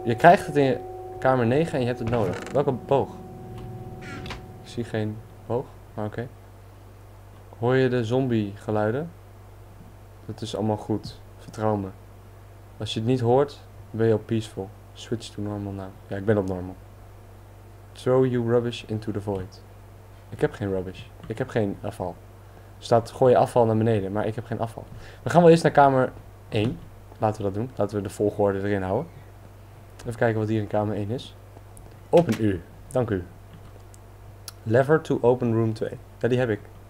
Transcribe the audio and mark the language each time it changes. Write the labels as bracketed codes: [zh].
[nl] Je krijgt het in je kamer 9 en je hebt het nodig. Welke boog? Ik zie geen boog. Maar oké. Hoor je de zombie geluiden? Dat is allemaal goed. Vertrouw me. Als je het niet hoort, ben je al peaceful. [en] Switch to normal now. [nl] Ja, ik ben op normal. [en] Throw your rubbish into the void. [nl] Ik heb geen rubbish. Ik heb geen afval. Er staat gooi je afval naar beneden, maar ik heb geen afval. We gaan wel eerst naar kamer 1. Laten we dat doen. Laten we de volgorde erin houden. Even kijken wat hier in kamer 1 is. Open u. Dank u. [en] Lever to open room 2. [nl] Ja, die heb ik.